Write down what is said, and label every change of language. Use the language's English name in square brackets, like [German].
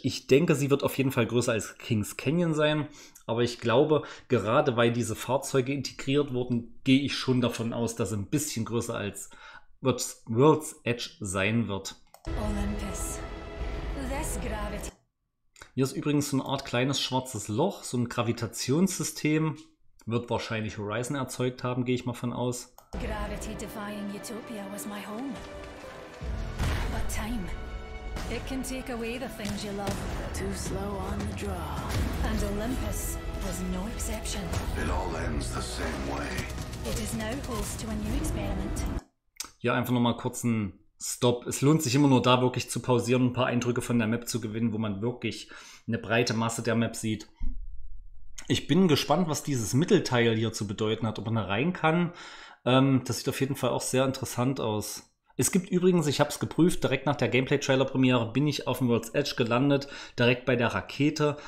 [German] Ich denke, sie wird auf jeden Fall größer als King's Canyon sein. Aber ich glaube, gerade weil diese Fahrzeuge integriert wurden, gehe ich schon davon aus, dass sie ein bisschen größer als World's Edge sein wird. Olympus. [English] Less gravity. [German] Hier ist übrigens so eine Art kleines schwarzes Loch, so ein Gravitationssystem. Wird wahrscheinlich Horizon erzeugt haben, gehe ich mal von aus. [English] Gravity-defying Utopia was my home. But time, it can take away the things you love. Too slow on the draw. And Olympus was no exception. It all ends the same way. It is now host to a new experiment. [German] Ja, einfach nochmal kurz ein Stopp. Es lohnt sich immer nur da wirklich zu pausieren, ein paar Eindrücke von der Map zu gewinnen, wo man wirklich eine breite Masse der Map sieht. Ich bin gespannt, was dieses Mittelteil hier zu bedeuten hat, ob man da rein kann. Das sieht auf jeden Fall auch sehr interessant aus. Es gibt übrigens, ich habe es geprüft, direkt nach der Gameplay-Trailer-Premiere bin ich auf dem World's Edge gelandet, direkt bei der Rakete.